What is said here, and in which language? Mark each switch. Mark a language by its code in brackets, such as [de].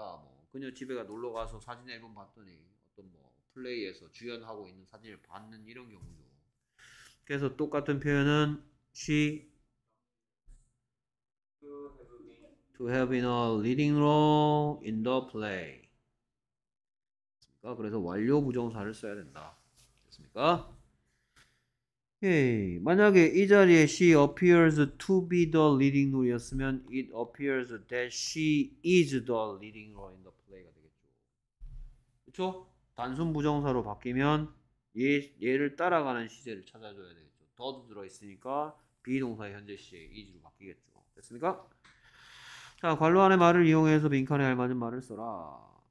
[ko] 뭐 그녀 집에 놀러 가서 사진 앨범 봤더니 어떤 뭐 플레이에서 주연하고 있는 사진을 봤는 이런 경우죠. 그래서 똑같은 표현은 [en] she to have been a leading role in the play. [ko] 그래서 완료 부정사를 써야 된다. 됐습니까? 오케이. 만약에 이 자리에 [en] she appears to be the leading role였으면 it appears that she is the leading role in the play [ko] 가 되겠죠. 그렇죠? 단순 부정사로 바뀌면 얘를 따라가는 시제를 찾아줘야 되겠죠. 더도 들어있으니까 be 동사의 현재 시제 is로 바뀌겠죠. 됐습니까? 자, 관로 안에 말을 이용해서 빈칸에 알맞은 말을 써라.